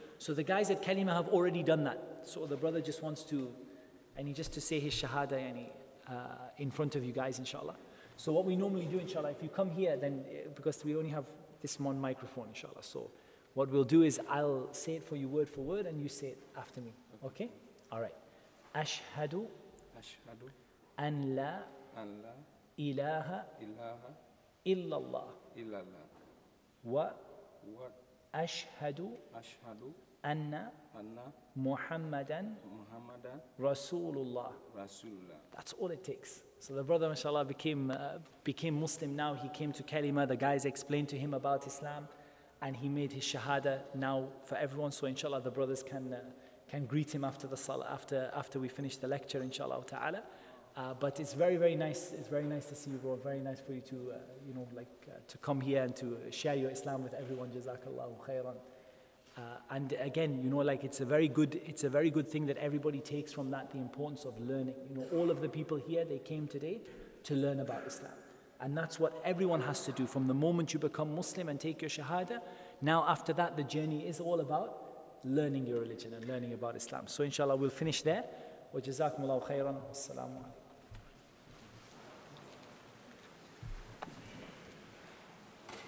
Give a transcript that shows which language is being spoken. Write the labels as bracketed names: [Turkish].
[English] So the guys at Kalima have already done that. So the brother just wants to, just to say his Shahada, in front of you guys, inshallah. So what we normally do, inshallah, if you come here, then, because we only have this one microphone, inshallah. So what we'll do is I'll say it for word, and you say it after me. Okay? All right. Ashhadu. Ashhadu. [Arabic] أن لا إله إلا الله وأشهد أن محمدا رسول الله. [English] That's all it takes. So the brother, mashallah, became Muslim now. He came to Kalima. The guys explained to him about Islam, and he made his shahada now for everyone. So inshallah, the brothers can greet him after the salah, after we finish the lecture, inshallah ta'ala. But it's very, very nice. It's very nice to see you, bro. Very nice for you to, to come here and to share your Islam with everyone. Jazakallahu khairan. And again, it's a very good thing that everybody takes from that, the importance of learning. All of the people here, they came today to learn about Islam. And that's what everyone has to do. From the moment you become Muslim and take your Shahada, now after that, the journey is all about learning your religion and learning about Islam. So inshallah, we'll finish there. [Arabic] وجزاكم الله خيرا والسلام عليكم.